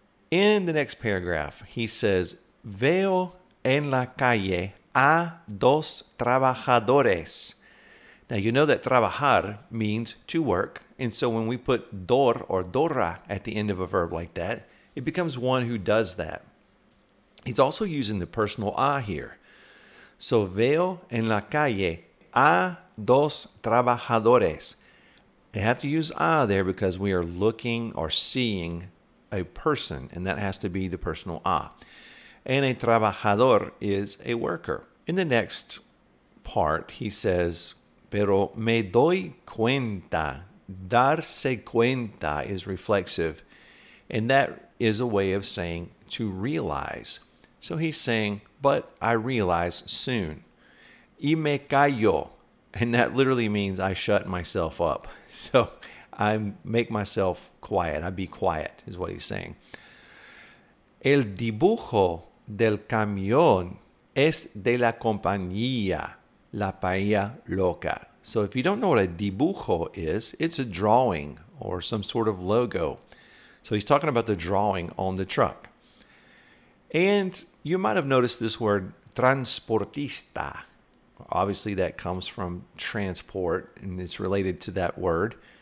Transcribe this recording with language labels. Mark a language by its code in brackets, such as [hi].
[en] In the next paragraph, he says, [es] veo en la calle a dos trabajadores. [en] Now, you know that trabajar means to work. And so when we put dor or dora at the end of a verb like that, it becomes one who does that. He's also using the personal a here. [es] So veo en la calle a dos trabajadores. [en] They have to use a there because we are looking or seeing a person, and that has to be the personal a. And a trabajador is a worker. In the next part, he says, [es] pero me doy cuenta. [en] Darse cuenta is reflexive, and that is a way of saying to realize. So he's saying, but I realize soon. [es] Y me callo. [en] And that literally means I shut myself up. So I make myself quiet. I be quiet is what he's saying. [es] El dibujo del camión es de la compañía La Paella Loca. [en] So if you don't know what a dibujo is, it's a drawing or some sort of logo. So he's talking about the drawing on the truck. And you might have noticed this word, transportista. Obviously, that comes from transport, and it's related to that word.